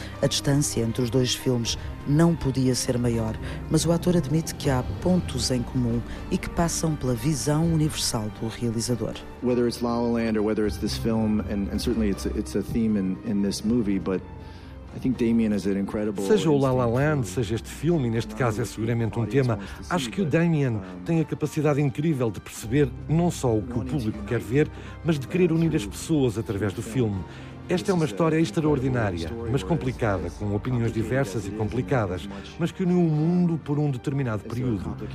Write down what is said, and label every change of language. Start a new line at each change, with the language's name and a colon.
Portuguese: A distância entre os dois filmes não podia ser maior, mas o ator admite que há pontos em comum e que passam pela visão universal do realizador.
English: Whether it's La La Land or whether it's this film, and certainly it's a theme in this movie, but I think Damien is an incredible.
Portuguese: Seja o La La Land, seja este filme, e neste caso é seguramente um tema, acho que o Damien tem a capacidade incrível de perceber não só o que o público quer ver, mas de querer unir as pessoas através do filme. Esta é uma história extraordinária, mas complicada, com opiniões diversas e complicadas, mas que uniu o mundo por um determinado período.